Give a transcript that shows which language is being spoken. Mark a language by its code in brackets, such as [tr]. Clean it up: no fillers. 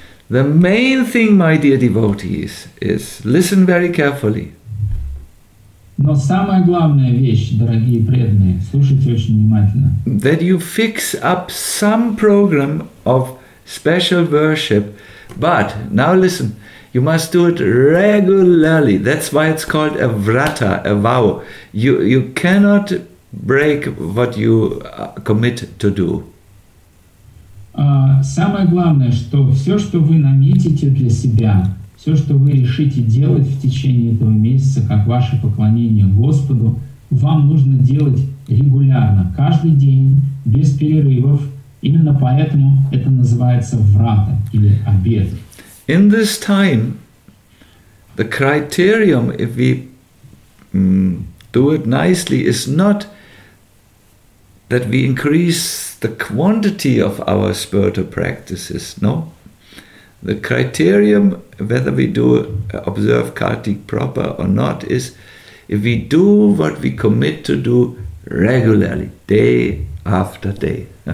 [en] The main thing, my dear devotees, is listen very carefully. [ru] Но самая главная вещь, дорогие преданные, слушайте очень внимательно. [en] That you fix up some program of special worship, but now listen, you must do it regularly. That's why it's called a vrata, a vow. You cannot break what you commit to do. [ru] Самое главное, что все, что вы наметите для себя, все, что вы решите делать в течение этого месяца, как ваше поклонение Господу, вам нужно делать регулярно, каждый день, без перерывов. Именно поэтому это называется врата или обет. [en] In this time, the criterion, if we do it nicely, is not that we increase the quantity of our spiritual practices, no? The criterion whether we do observe Kartik proper or not is if we do what we commit to do regularly, day after day.